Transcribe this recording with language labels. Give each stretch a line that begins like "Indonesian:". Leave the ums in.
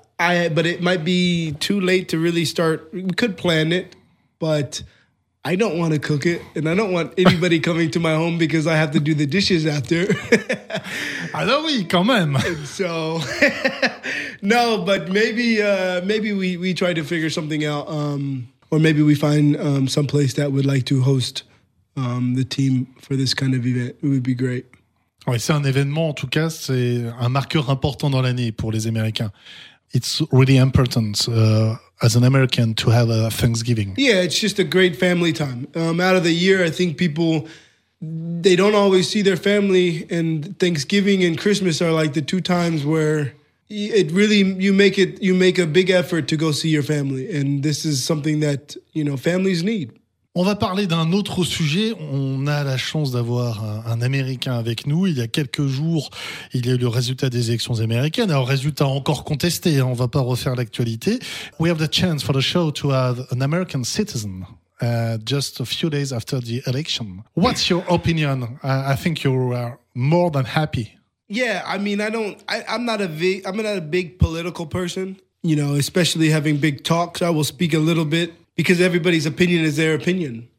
English: I, but it might be too late to really start. We could plan it, but I don't want to cook it, and I don't want anybody coming to my home because I have to do the dishes after.
French: Ah là oui, quand même
English: so, no, but maybe uh, maybe we we try to figure something out, um, or maybe we find um, some place that would like to host um, the team for this kind of event. It would be great.
French: Ouais, c'est un événement, en tout cas, c'est un marqueur important dans l'année pour les Américains.
English: It's really important uh, as an American to have a Thanksgiving. Yeah, it's just a great family time. Um, out of the year, I think people they don't always see their family, and Thanksgiving and Christmas are like the two times where y- it really you make it you make a big effort to go see your family, and this is something that you know families need.
French: On va parler d'un autre sujet. On a la chance d'avoir un, un Américain avec nous. Il y a quelques jours, il y a eu le résultat des élections américaines. Alors, résultat encore contesté. hein, On va pas refaire l'actualité.
English: We have the chance for the show to have an American citizen. uh, just a few days after the election. What's your opinion? I, I think you are more than happy Yeah, I mean, I don't. I, I'm not a big. I'm not a big political person. You know, especially having big talks, I will speak a little bit because everybody's opinion is their opinion.